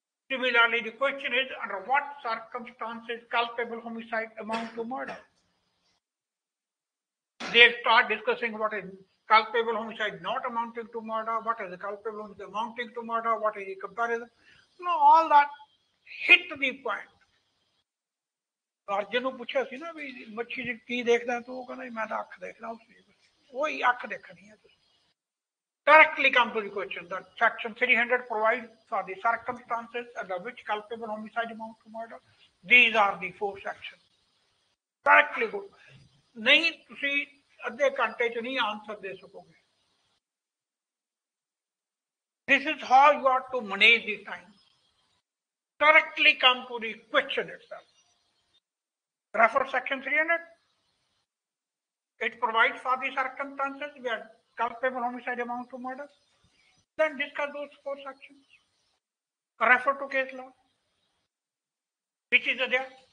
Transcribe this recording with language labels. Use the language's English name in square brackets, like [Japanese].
[English] Similarly, the question is under what circumstances culpable homicide amount to murder? They start discussing what is culpable homicide not amounting to murder, what is the culpable homicide amounting to murder, what is the comparison. You know, all that hit the point. [Punjabi] Arjan ਨੂੰ ਪੁੱਛਿਆ ਸੀ ਨਾ ਵੀ ਮੱਛੀ ਜੀ ਕੀ ਦੇਖਦਾ ਤੂੰ, ਉਹ ਕਹਿੰਦਾ ਮੈਂ ਤਾਂ ਅੱਖ ਦੇਖਦਾ ਉਸ ਚੀਜ਼, ਉਹ ਹੀ ਅੱਖ ਦੇਖਣੀ ਹੈ ਤੁਸੀਂ [English] directly come to the question ਦਾ section 300 provide for the circumstances under which culpable homicide amount to murder, these are the four section directly good, [Punjabi] ਨਹੀਂ ਤੁਸੀਂ ਅੱਧੇ ਘੰਟੇ ਚ ਨਹੀਂ ਆਨਸਰ ਦੇ ਸਕੋਗੇ. [English] This is how you are to manage the time, directly come to the question itself. Refer section 300. It provides for the circumstances where culpable homicide amounts to murder. Then discuss those four sections. Refer to case law. Which is there?